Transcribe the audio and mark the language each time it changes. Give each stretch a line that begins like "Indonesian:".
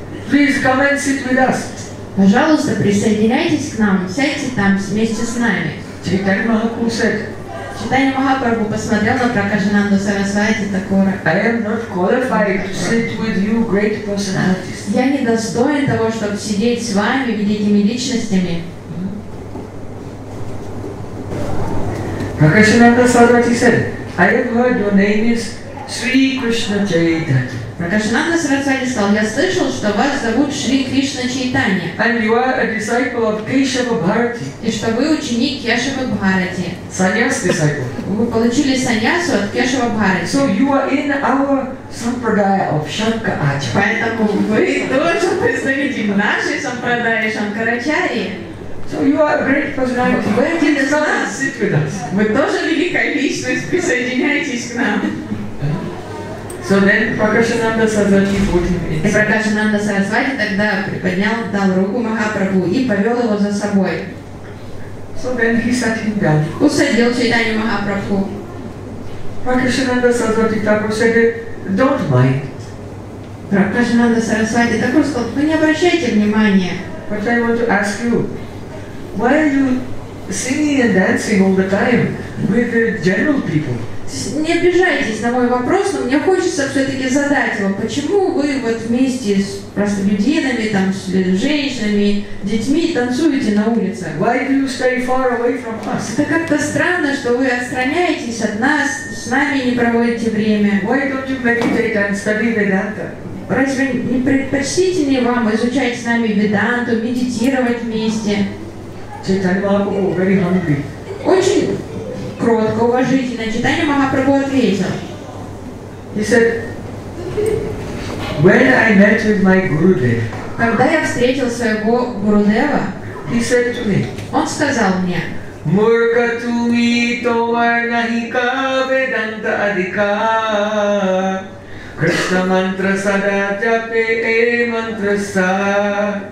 English: Please come and sit with us.
Russian: Пожалуйста, присоединяйтесь к нам, сядьте там вместе с нами.
English: Чайтанья Махапрабху said.
Russian: Чайтанья Махапрабху посмотрел на Прокашананду Сарасвати такого.
English: I am not qualified to sit with you, great personalities.
Russian: Я не достоин того, чтобы сидеть с вами, великими личностями.
English: Prakashananda Sarasvati said, "I have heard your name is Sri Krishna Chaitanya." Prakashananda Sarasvati said,
Russian: "Я слышал, что вас зовут Шри Кришна Чайтанья."
English: And you are a disciple of Keshava Bharati.
Russian: И что вы ученик Кешава Бхарати.
English: Sannyas disciple.
Russian: Вы получили саньясу от Кешава Бхарати.
English: So you are in our sampradaya of Shankara Acharya.
Russian: Поэтому вы тоже представитель нашей сампрадаи Шанкарачарьи.
English: So you are a great personality.
Russian: Вы один из нас.
English: Sit with us.
Russian: Вы тоже великая личность. Присоединяйтесь к нам.
English: So then Prakashananda Sarasvati put him in.
Russian: И Прокашананда Сарасвати тогда приподнял, дал руку Махапрабху и повел его за собой.
English: So then he sat him down.
Russian: Усадил Чайтанью Махапрабху.
English: Prakashananda Sarasvati Thakur said, "Don't mind."
Russian: Прокашананда Сарасвати Thakur сказал, вы не обращайте внимания.
English: But I want to ask you. Why are you singing and dancing all the time with the general people?
Russian: Не обижайтесь на мой вопрос, но мне хочется все-таки задать вам, почему вы вот вместе с простолюдинами, там, с женщинами, детьми танцуете на улице?
English: Why do you stay far away from us?
Russian: Это как-то странно, что вы отстраняетесь от нас, с нами не проводите время.
English: Why don't you meditate and study Vedanta?
Russian: Разве не предпочтительнее вам изучать с нами Веданту, медитировать вместе?
English: Чайтанья Махапрабху very hungry.
Russian: Очень кротко, уважительно. Чайтанья Махапрабху ответил.
English: He said, when I met with my Gurudev,
Russian: когда я встретил своего Гурудева,
English: he said to me,
Russian: он сказал мне,
Sanskrit: Мурка туми товар нахика веданта адика Кришна мантра сада джапе мантра са.